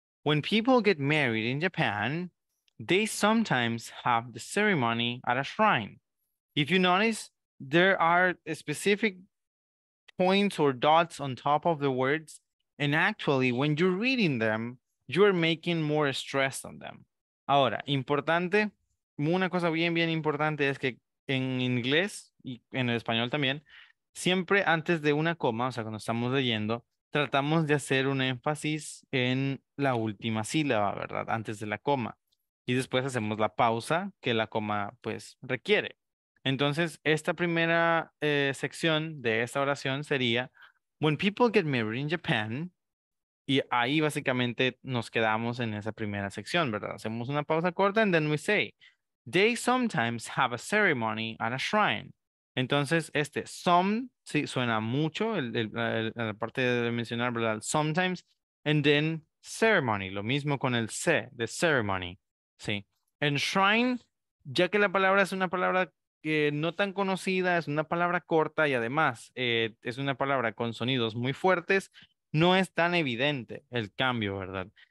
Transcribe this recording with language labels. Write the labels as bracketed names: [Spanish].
[English] When people get married in Japan, they sometimes have the ceremony at a shrine. If you notice, there are specific points or dots on top of the words. And actually, when you're reading them, you're making more stress on them. [Spanish] Ahora, importante, una cosa bien, bien importante es que en inglés y en el español también, siempre antes de una coma, o sea, cuando estamos leyendo, tratamos de hacer un énfasis en la última sílaba, ¿verdad? Antes de la coma. Y después hacemos la pausa que la coma, pues, requiere. Entonces, esta primera sección de esta oración sería, [English] when people get married in Japan, [Spanish] y ahí básicamente nos quedamos en esa primera sección, ¿verdad? Hacemos una pausa corta [English] and then we say, they sometimes have a ceremony at a shrine. [Spanish] Entonces, este some, sí, suena mucho, la parte de mencionar, ¿verdad? [English] Sometimes, and then ceremony, [Spanish] lo mismo con el se, [English] the ceremony, ¿sí? And shrine, [Spanish] ya que la palabra es una palabra que no tan conocida, es una palabra corta y además es una palabra con sonidos muy fuertes, no es tan evidente el cambio, ¿verdad?